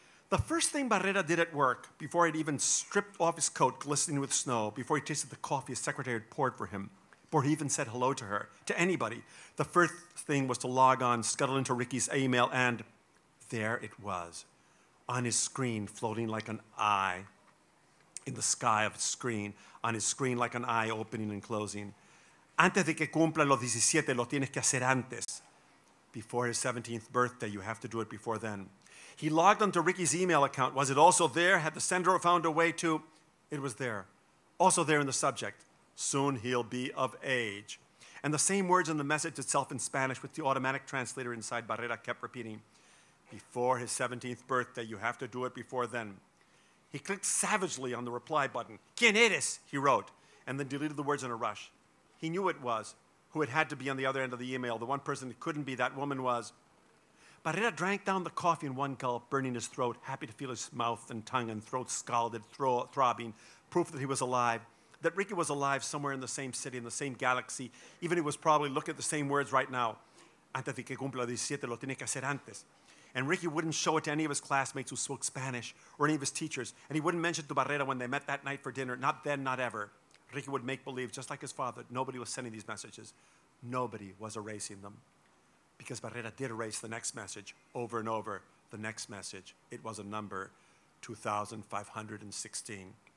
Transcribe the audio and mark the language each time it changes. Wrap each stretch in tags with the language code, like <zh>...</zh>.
<en>The first thing Barrera did at work, before he'd even stripped off his coat glistening with snow, before he tasted the coffee his secretary had poured for him, before he even said hello to her, to anybody, the first thing was to log on, scuttle into Ricky's email, and there it was, on his screen, floating like an eye in the sky of his screen, on his screen like an eye opening and closing.</en> <es>Antes de que cumpla los 17, lo tienes que hacer antes.</es> <en>Before his 17th birthday, you have to do it before then. He logged onto Ricky's email account. Was it also there? Had the sender found a way to? It was there. Also there in the subject. Soon he'll be of age. And the same words in the message itself in Spanish with the automatic translator inside Barrera kept repeating. Before his 17th birthday, you have to do it before then. He clicked savagely on the reply button.</en> <es>¿Quién eres?</es> <en>He wrote, and then deleted the words in a rush. He knew it was who it had to be on the other end of the email. The one person it couldn't be, that woman was. Barrera drank down the coffee in one gulp, burning his throat, happy to feel his mouth and tongue and throat scalded, throbbing, proof that he was alive, that Ricky was alive somewhere in the same city, in the same galaxy. Even he was probably looking at the same words right now.</en> <es>Antes de que cumpla 17, lo tiene que hacer antes.</es> <en>And Ricky wouldn't show it to any of his classmates who spoke Spanish or any of his teachers. And he wouldn't mention it to Barrera when they met that night for dinner. Not then, not ever. Ricky would make believe, just like his father, nobody was sending these messages. Nobody was erasing them. Because Barrera did erase the next message over and over. The next message, it was a number, 2516.</en>